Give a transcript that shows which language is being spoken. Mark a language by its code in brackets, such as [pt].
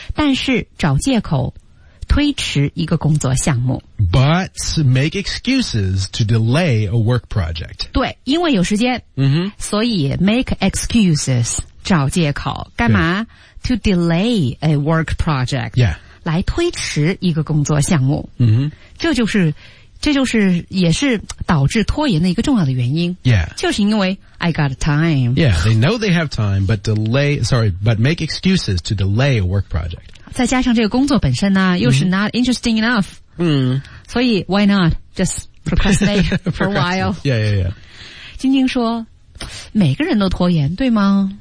[zh] 但是找借口推迟一个工作项目。 [en] But make excuses to delay a work project. [zh] 对因为有时间、 [en] mm-hmm. [zh] 所以 [en] make excuses. [zh] 找借口干嘛 [en] ?to delay a work project,、 yeah. [zh] 来推迟一个工作项目。 [en] Mm-hmm. [zh] 这就是也是导致拖延的一个重要的原因。 [en] Yeah. [zh] 就是因为 [en] I got time. Yeah, they know they have time, but make excuses to delay a work project. [zh] 再加上这个工作本身呢又是 [en] not interesting enough.、 Mm-hmm. [zh] 所以 [en] why not just procrastinate for a while. Yeah, yeah, yeah. [zh] 晶晶说每个人都拖延，对吗？